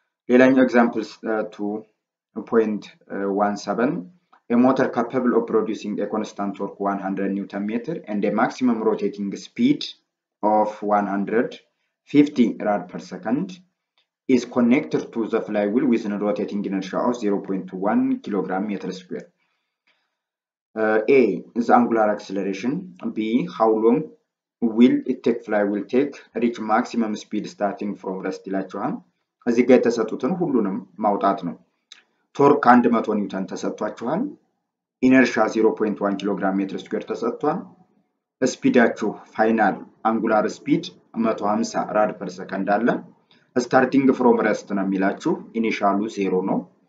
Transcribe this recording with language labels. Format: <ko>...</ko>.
<am>ሌላኛው ኤግዛምፕል</am> <en>2.17 a motor capable of producing a constant torque 100 newton meter and a maximum rotating speed of 150 rad per second is connected to the flywheel with a rotating inertia of 0.1 kg meter square. A is angular acceleration. B, how long will it take flywheel take reach maximum speed starting from rest electron?</en> <am>እዚህ ጋር የተሰጡትን ሁሉንም ማውጣት ነው ቶርክ 100 ኒውተን ተሰጥቷችኋል ኢነርሺያ 0.1 ኪሎ ግራም ሜትር ስኩዌር ተሰጥቷል ስፒዳችሁ ፋይናል አንጉላር ስፒድ 150 ራድ ፐር ሰከንድ አለ ስታርቲንግ ፍሮም ረስት ነው የሚላችሁ ኢኒሻሉ 0 ነው</am>